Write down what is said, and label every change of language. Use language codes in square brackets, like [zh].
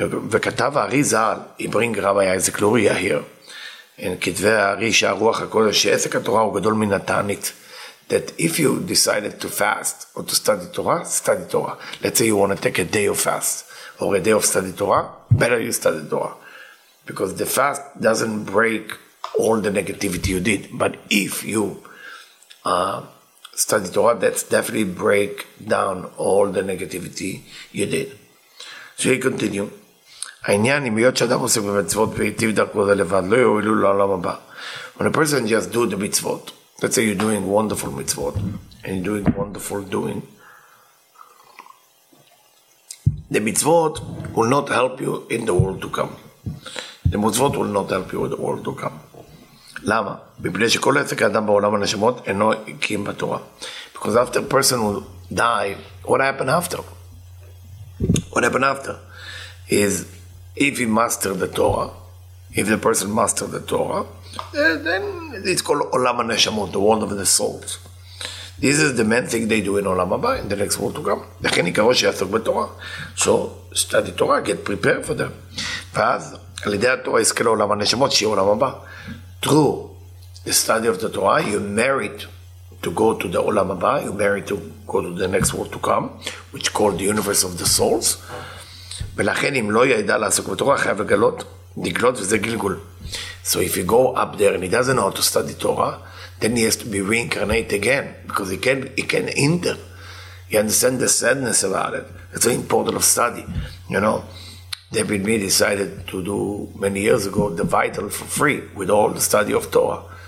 [he] וכתב הארי ז"ל, [en] איברינג רבי אייזק לוריה היר, [he] כתבי הארי שהרוח הקודש, שעסק התורה הוא גדול מן התענית, [en] that if you decided to fast or to study Torah, study Torah. Let's say you want to take a day of fast or a day of study Torah, better you study Torah. Because the fast doesn't break all the negativity you did. But if you study Torah, that's definitely break down all the negativity you did. So you continue. [he] העניין אם היות שאדם עושה במצוות ויטיב דרכו זה לבד, לא יועילו לעולם הבא. [en] When a person just do the מצוות, let's say you're doing wonderful מצוות, and you're doing wonderful doing, the מצוות will not help you in the world to come. The מצוות will not help you in the world to come. [he] למה? מפני שכל עסק האדם בעולם הנשמות אינו הקים בתורה. [en] Because after a person will die, what happened after? What happened after? Is if he mastered the Torah, if the person mastered the Torah, then it's called Olam HaNeshamot, the world of the souls. This is the main thing they do in Olam Haba, in the next world to come. [he] לכן יקרו שיעסוק בתורה. [en] So, study Torah, get prepared for them. [he] ואז, על ידי התורה יזכה לעולם הנשמות, שיהיה עולם הבא. [en] True, the study of the Torah, you merit to go to the Olam Haba, you merit to go to the next world to come, which is called the universe of the souls. [he] ולכן אם לא ידע לעסוק בתורה, חייב לגלות, לגלות וזה גלגול. [en] So if you go up there and he doesn't know how to study Torah, then he has to be reincarnated again, because he can enter. He understands the sadness about it. It's very important of study. You know, David Mead decided to do many years ago the vital for free with all the study of Torah.